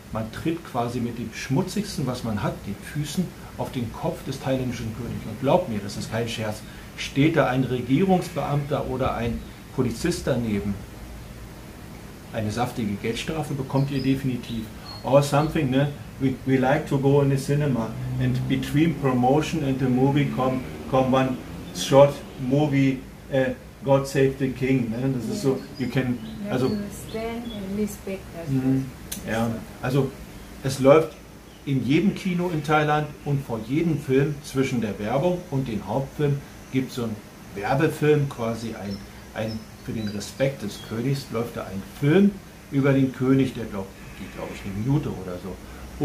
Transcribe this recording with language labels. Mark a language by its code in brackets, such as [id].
[de] Man tritt quasi mit dem Schmutzigsten, was man hat, den Füßen, auf den Kopf des thailändischen Königs. Und glaubt mir, das ist kein Scherz. Steht da ein Regierungsbeamter oder ein Polizist daneben, eine saftige Geldstrafe bekommt ihr definitiv. [en] Or something, ne? We like to go in the cinema and between promotion and the movie come one short movie, God Save the King. [de] Ne? Das ist so, [en] you can, [de] also, [en] stand and respect that [de] ja, also es läuft in jedem Kino in Thailand und vor jedem Film zwischen der Werbung und dem Hauptfilm gibt es so ein Werbefilm quasi ein für den Respekt des Königs läuft da ein Film über den König, der glaube ich eine Minute oder so.